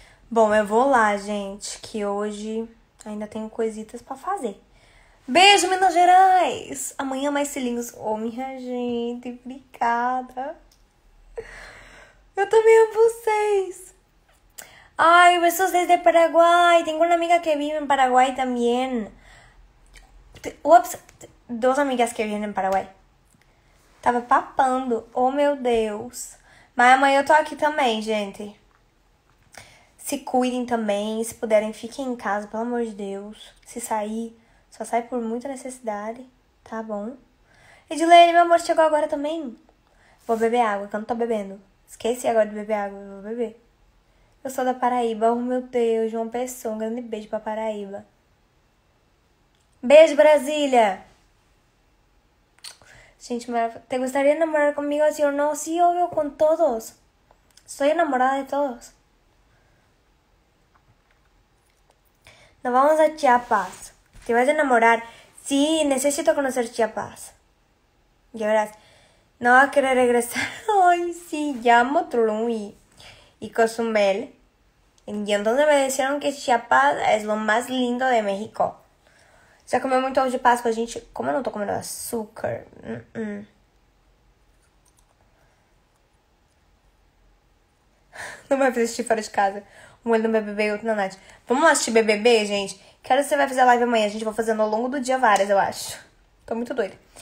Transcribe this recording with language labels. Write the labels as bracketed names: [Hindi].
[Portuguese] Bom, eu vou lá, gente, que hoje ainda tenho coisitas para fazer. Beijo, Minas Gerais! Amanhã mais cilinhos. Ô, minha gente, obrigada. Eu também amo vocês. Ai, [Spanish] besos desde Paraguai. Tengo una amiga que vive en Paraguay también. [Portuguese] Ups, dos amigas que vivem em Paraguai. Tava papando. Oh, meu Deus. Mas amanhã eu tô aqui também, gente. Se cuidem também. Se puderem, fiquem em casa, pelo amor de Deus. Se sair, só sai por muita necessidade. Tá bom? Edilene, meu amor, chegou agora também? Vou beber água, que eu não tô bebendo. Esqueci agora de beber água, eu vou beber. Eu sou da Paraíba. Oh, meu Deus, João Pessoa. Um grande beijo pra Paraíba. Beijo, Brasília! [Spanish] Gente, ¿te gustaría enamorar conmigo? Sí o no, sí, obvio, con todos. Estoy enamorada de todos. Nos vamos a Chiapas. ¿Te vas a enamorar? Sí, necesito conocer Chiapas. Ya verás. No va a querer regresar. Ay, sí, llamo Tulum y Cozumel. Y entonces me dijeron que Chiapas es lo más lindo de México. [Portuguese] Já comeu muito ovo de Páscoa, gente? Como eu não tô comendo açúcar? Não vai assistir fora de casa. Um olho no BBB e outro na Nath. Vamos lá assistir BBB, gente? Quero saber se você vai fazer live amanhã. A gente vai fazendo ao longo do dia várias, eu acho. Tô muito doida.